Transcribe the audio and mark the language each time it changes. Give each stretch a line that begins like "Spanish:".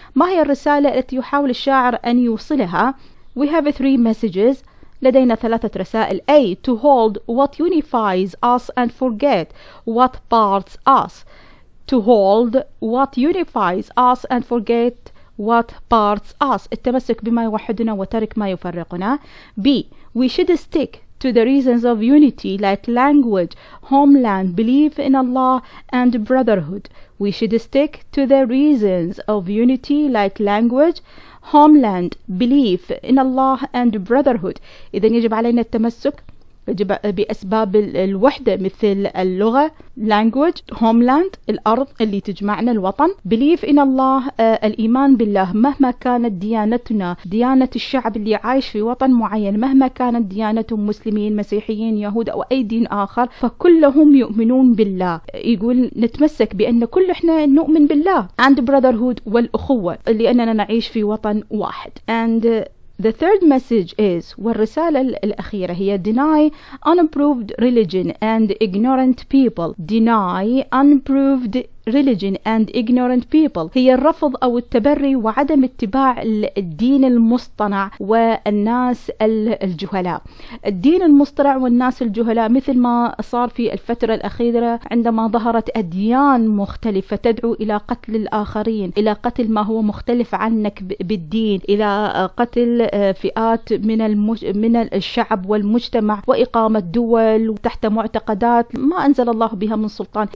Arabic: ما هي الرسالة التي يحاول الشاعر أن يوصلها؟
English: We have three messages.
Arabic: لدينا ثلاثة رسائل. A.
English: To hold what unifies us and forget what parts us. To hold what unifies us and forget what parts us.
Arabic: التمسك بما يوحدنا وترك ما يفرقنا.
English: B. We should stick to the reasons of unity like language, homeland, belief in Allah and brotherhood. We should stick to the reasons of unity like language, homeland, belief in Allah and brotherhood.
Arabic: إذا يجب علينا التمسك بأسباب الوحدة مثل اللغة
English: language, homeland,
Arabic: الأرض اللي تجمعنا الوطن
English: belief in Allah,
Arabic: الإيمان بالله مهما كانت ديانتنا ديانة الشعب اللي عايش في وطن معين مهما كانت ديانتهم مسلمين مسيحيين يهود أو أي دين آخر فكلهم يؤمنون بالله. يقول نتمسك بأن كل إحنا نؤمن بالله
English: and brotherhood
Arabic: والأخوة لأننا نعيش في وطن واحد.
English: And the third message is
Arabic: والرسالة الأخيرة هي
English: deny unproved religion and ignorant people. Deny unproved religion and ignorant people
Arabic: هي الرفض أو التبري وعدم اتباع الدين المصطنع والناس الجهلاء. الدين المصطنع والناس الجهلاء مثل ما صار في الفترة الأخيرة عندما ظهرت أديان مختلفة تدعو إلى قتل الآخرين إلى قتل ما هو مختلف عنك بالدين إلى قتل فئات من من الشعب والمجتمع وإقامة دول تحت معتقدات ما أنزل الله بها من سلطان.